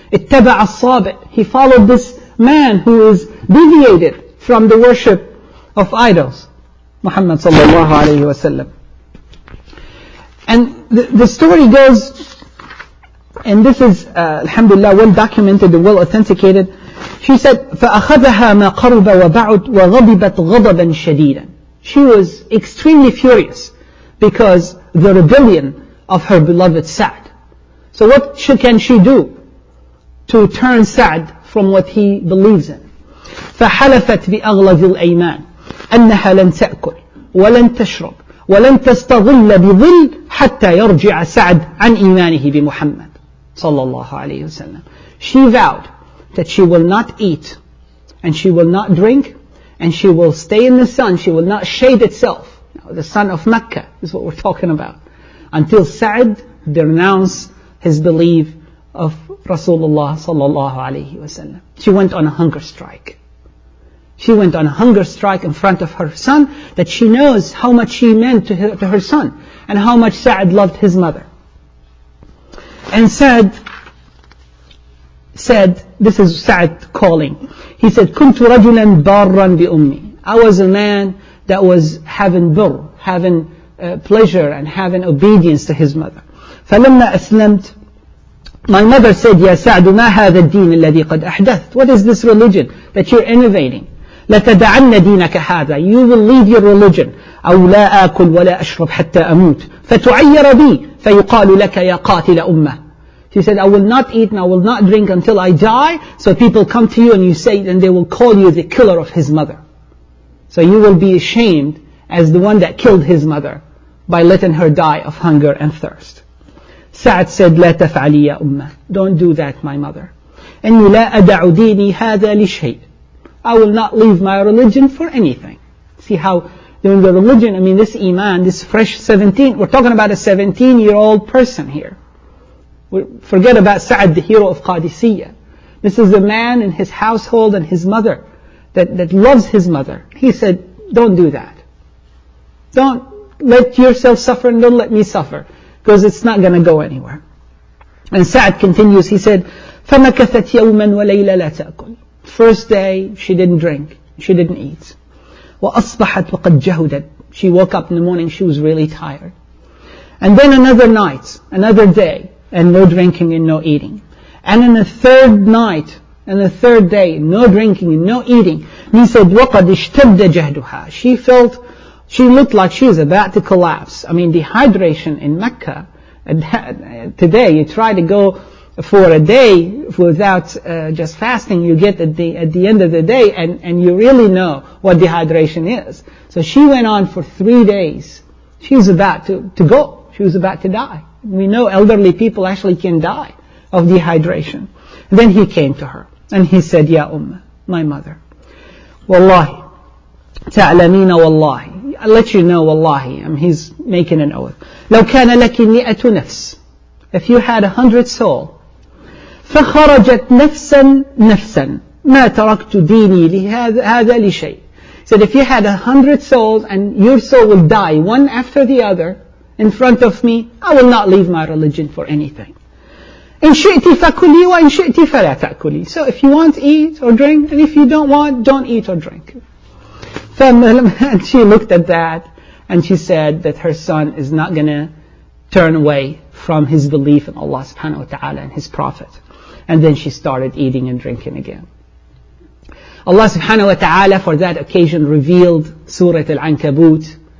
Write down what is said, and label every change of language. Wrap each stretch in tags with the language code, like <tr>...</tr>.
<en>Ittaba' al-Sabit. He followed this man who is deviated from the worship of idols, Muhammad sallallahu alayhi wa sallam. And the story goes, and this is, alhamdulillah, well documented and well authenticated. She said,</en> <ar>فَأَخَذَهَا مَا قَرُبَ وَبَعُدْ وَغَضِبَتْ غَضَبًا شَدِيدًا.</ar> <en>She was extremely furious because the rebellion of her beloved Sa'd. So what can she do to turn Sa'd from what he believes in?</en> <ar>فَحَلَفَتْ بِأَغْلَظِ الْأَيْمَانِ أَنَّهَا لَنْ تَأْكُلْ وَلَنْ تَشْرَبْ وَلَنْ تَسْتَظِلَّ بِظِلْ حَتَّى يَرْجِعَ سَعْدْ عَنْ إِيمَانِهِ بِمُحَمَّدٍ صلى الله عليه وسلم.</ar> <en>She vowed that she will not eat and she will not drink and she will stay in the sun. She will not shade itself. Now, the sun of Mecca is what we're talking about. Until Sa'd denounce his belief of Rasulullah sallallahu alayhi wa sallam. She went on a hunger strike. She went on a hunger strike in front of her son, that she knows how much she meant to her son and how much Sa'd loved his mother. And Sa'd said, this is Sa'd calling. He said,</en> <ar>كنت رجلا بارا بأمي.</ar> <en>I was a man that was having bur, having pleasure and having obedience to his mother.</en> <ar>فلما أسلمت,</ar> <en>my mother said,</en> <ar>يا سعد ما هذا الدين الذي قد أحدثت.</ar> <en>What is this religion that you're innovating?</en> <ar>لتدعن دينك هذا.</ar> <en>You will leave your religion.</en> <ar>أو لا آكل ولا أشرب حتى أموت. فتعير بي فيقال لك يا قاتل أمة.</ar> <en>She said, I will not eat and I will not drink until I die. So people come to you and you say, and they will call you the killer of his mother. So you will be ashamed as the one that killed his mother by letting her die of hunger and thirst. Sa'd said,</en> <ar>لا تفعلي يا أمة.</ar> <en>Don't do that, my mother.</en> <ar>إني لا أدع ديني هذا لشيء.</ar> <en>I will not leave my religion for anything. See how, during the religion, I mean, this iman, this fresh 17, we're talking about a 17-year-old person here. Forget about Sa'd, the hero of Qadisiyah. This is a man in his household and his mother that loves his mother. He said, don't do that. Don't let yourself suffer and don't let me suffer, because it's not going to go anywhere. And Sa'd continues, he said,</en> <ar>فَمَكَثَتْ يَوْمًا وَلَيْلًا لَا تَأْكُلْ.</ar> <en>First day, she didn't drink. She didn't eat.</en> <ar>وَأَصْبَحَتْ وَقَدْ جَهُدَتْ.</ar> <en>She woke up in the morning, she was really tired. And then another night, another day, and no drinking and no eating. And in the third night, and the third day, no drinking and no eating. He said,</en> <ar>وَقَدْ اشْتَبْدَ جَهْدُهَا.</ar> <en>She felt, she looked like she was about to collapse. I mean, dehydration in Mecca, today, you try to go for a day without just fasting, you get at the end of the day and you really know what dehydration is. So she went on for 3 days. She was about to go. She was about to die. We know elderly people actually can die of dehydration. And then he came to her and he said, Ya Umma, my mother, Wallahi, تعلمين Wallahi. I'll let you know Wallahi. I mean, he's making an oath.</en> <ar>لو كان لك مئة نفس.</ar> <en>If you had 100 souls,</en> <ar>فخرجت نفسا نفسا ما تركت ديني لهذا لشيء.</ar> <en>Said, if you had 100 souls and your soul will die one after the other in front of me, I will not leave my religion for anything.</en> <ar>إن شئت فكلي وإن شئت فلا تأكلي.</ar> <en>So if you want, eat or drink, and if you don't want, don't eat or drink. And she looked at that and she said that her son is not going to turn away from his belief in Allah subhanahu wa ta'ala and his prophet. And then she started eating and drinking again. Allah subhanahu wa ta'ala for that occasion revealed Surah Al-Ankabut,</en>